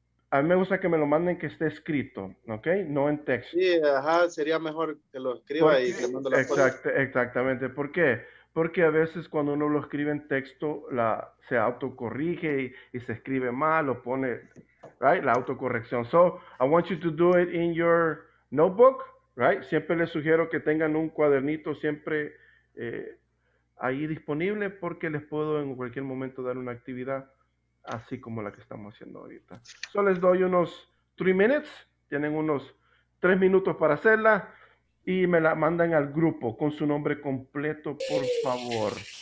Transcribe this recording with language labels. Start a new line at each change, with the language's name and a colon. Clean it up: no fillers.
Spanish: A mí me gusta que me lo manden que esté escrito, ¿ok? No en texto. Sí, ajá, sería mejor que lo escriba y que mando la foto. Exactamente. ¿Por qué? Porque a veces cuando uno lo escribe en texto, se autocorrige y se escribe mal o pone... Right, la autocorrección.
English: So, I want you to do it in your notebook, right?
Spanish: Siempre les sugiero que tengan un cuadernito siempre ahí disponible porque les puedo en cualquier momento dar una actividad así como la que estamos haciendo ahorita. So, les doy unos 3 minutes. Tienen unos 3 minutos para hacerla y me la mandan al grupo con su nombre completo, por favor.